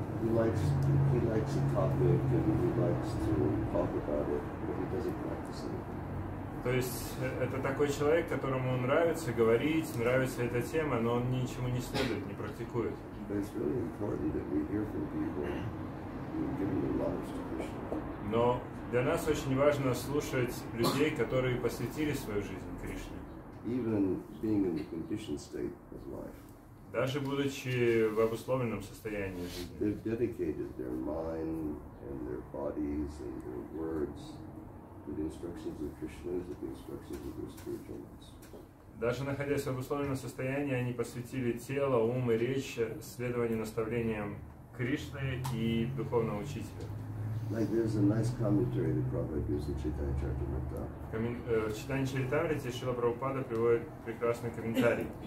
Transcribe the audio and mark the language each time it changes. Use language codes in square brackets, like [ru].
[en] He likes a topic and he likes to talk about it, but he doesn't practice it. [ru] То есть это такой человек, которому нравится говорить, нравится эта тема, но он ничему не следует, не практикует. [en] But it's really important that we hear from people and give them lives to Krishna. [ru] Но для нас очень важно слушать людей, которые посвятили свою жизнь Кришне. [en] Even being in the conditioned state of life. [ru] Даже будучи в обусловленном состоянии жизни. [en] They've dedicated their mind and their bodies and their words to the instructions of Krishna, to the instructions of their spiritual lives. [ru] Даже находясь в обусловленном состоянии, они посвятили тело, ум и речь следованию наставлениям Кришны и духовного учителя. [en] Like there's a nice commentary that Prabhupada gives in Chaitanya Charitamrita. [ru] В Чайтанья Чаритамрите Шрила Прабхупада приводит прекрасный комментарий.